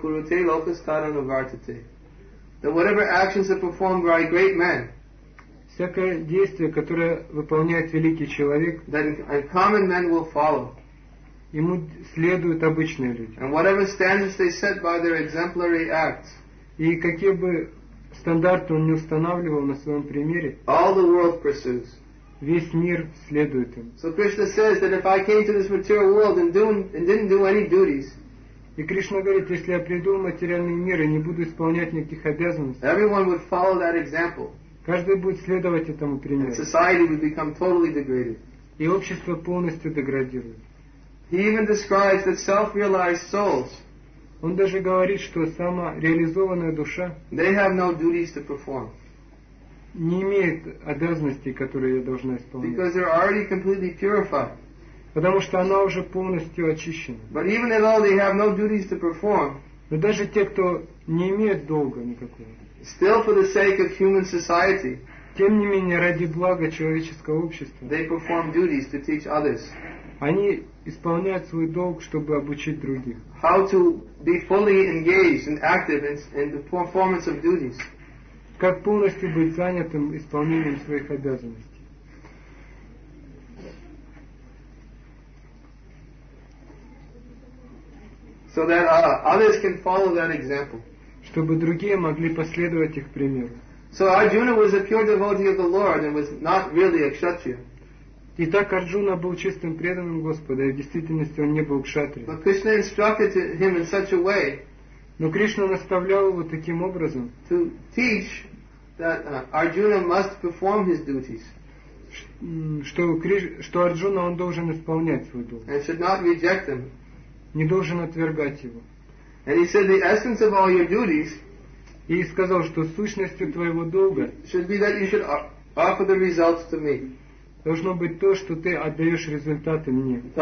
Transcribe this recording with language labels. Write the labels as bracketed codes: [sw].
[en] That whatever actions are performed by great men, [ru] всякое действие, которое выполняет великий человек, [en] that common men will follow. [ru] Ему следуют обычные люди. [en] And whatever standards they set by their exemplary acts, [ru] и какие бы стандарты он не устанавливал на своем примере, [en] all the world pursues. [ru] Весь мир следует им. [en] So Krishna says that if I came to this material world and didn't do any duties, [ru] и Кришна говорит, если я приду в материальный мир и не буду исполнять никаких обязанностей, [en] everyone would follow that example. [ru] Каждый будет следовать этому примеру. [en] And society would become totally degraded. [ru] И общество полностью деградирует. [en] He even describes that self-realized souls. [ru] Он даже говорит, что самореализованная душа. [en] They have no duties to perform. [ru] Не имеет обязанностей, которые я должна исполнять. [en] Because they're already completely purified. [ru] Потому что она уже полностью очищена. [en] But even if all they have no duties to perform. [ru] Но даже те, кто не имеет долга никакого. [en] Still, for the sake of human society. [ru] Тем не менее ради блага человеческого общества. [en] They perform duties to teach others. [ru] Они исполняют свой долг, чтобы обучить других. [en] How to be fully engaged and active in the performance of duties. [ru] как полностью быть занятым исполнением своих обязанностей. [en] So that others can follow that example. [ru] Чтобы другие могли последовать их примеру. [en] So Arjuna was a pure devotee of the Lord and was not really a kshatriya. [ru] Итак, Арджуна был чистым преданным Господа, и в действительности он не был кшатрия. [en] But Krishna instructed him in such a way. [ru] Но Кришна наставлял его таким образом, [en] to teach that Arjuna must perform his duties. [ru] Что Арджуна он должен исполнять свой долг. [en] And should not reject them. [ru] Не должен отвергать его. [en] And he said the essence of all your duties. [ru] И сказал, что сущностью твоего долга [en] should be that you should offer the results to me. [ru] Должно быть то, что ты отдаешь результаты мне.